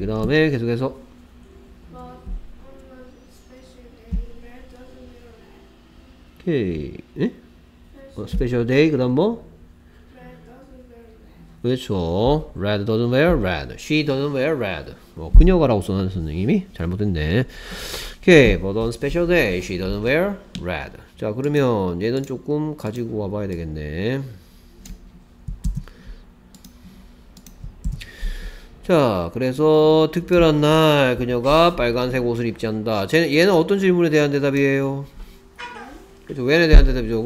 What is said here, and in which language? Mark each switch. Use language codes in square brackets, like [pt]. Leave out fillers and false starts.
[ko] 그 다음에 계속해서 오케이. 어, [en] special day. [ko] 그 다음 뭐? 그렇죠. [en] Red doesn't wear red. She doesn't wear red. [ko] 뭐 그녀가라고 써놨었네 이미. 잘못됐네. [en] Okay, but on special day, she doesn't wear red. [ko] 자, 그러면 얘는 조금 가지고 와봐야 되겠네. 자, 그래서 특별한 날 그녀가 빨간색 옷을 입지 않는다. 얘는 어떤 질문에 대한 대답이에요? 그렇죠. When에 대한 대답이죠.